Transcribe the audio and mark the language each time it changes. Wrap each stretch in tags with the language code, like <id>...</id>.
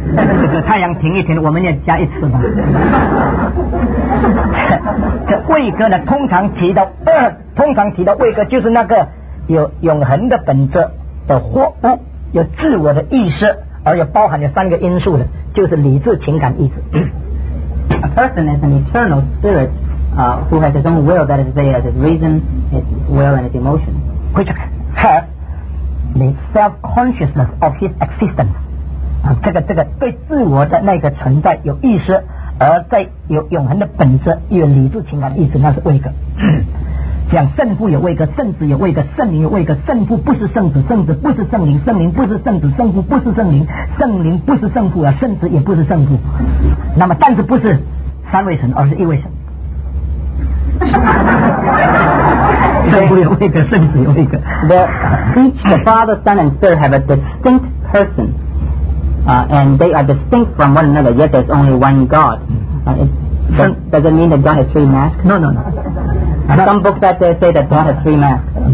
<zh>这个太阳停一停，我们也加一次吧。这位格呢，通常提到位格，就是那个有永恒的本质的活物，有自我的意识，而且包含了三个因素的，就是理智、情感、意志。</zh> <en>A person is an eternal spirit, who has his own will, that is to say, has his reason, his will, and his emotion. Which has the self-consciousness of his existence.</en> <zh>这个对自我的那个存在有意识，而在有永恒的本质，有理智、情感、意志，那是位格。讲圣父有位格，圣子有位格，圣灵有位格。圣父不是圣子，圣子不是圣灵，圣灵不是圣子，圣父不是圣灵，圣灵不是圣父啊，圣子也不是圣父。那么，但是不是三位神，而是一位神。圣父有位格，圣子有位格。</zh> <en>The Father, Son, and Spirit have a distinct person, and they are distinct from one another. Yet there's only one God. Does it mean that God has three masks? No. Some books that they say that God has three masks.</en>